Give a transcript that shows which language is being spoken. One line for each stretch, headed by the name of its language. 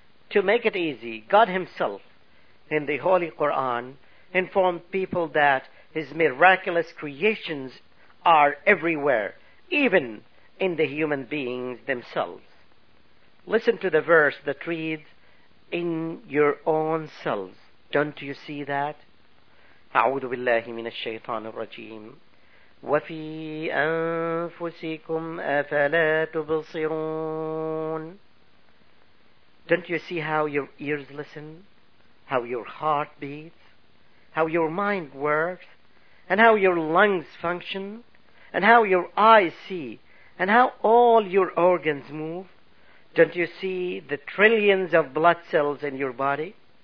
English: To make it easy, God Himself, in the Holy Quran, informed people that His miraculous creations are everywhere, even in the human beings themselves. Listen to the verse that reads, in your own selves. Don't you see that?
Arabic: أعوذ بالله من الشيطان الرجيم وفي أنفسكم أفلا تبصرون.
English: Don't you see how your ears listen, how your heart beats, how your mind works, and how your lungs function, and how your eyes see, and how all your organs move? Don't you see the trillions of blood cells in your body?